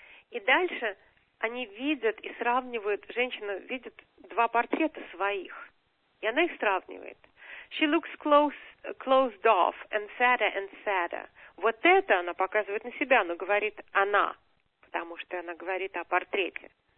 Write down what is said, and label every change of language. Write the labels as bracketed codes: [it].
[ru] И дальше они видят и сравнивают, женщина видит два портрета своих, и она их сравнивает. [en] She looks closed off and sadder and sadder. [ru] Вот это она показывает на себя, но говорит она, потому что она говорит о портрете.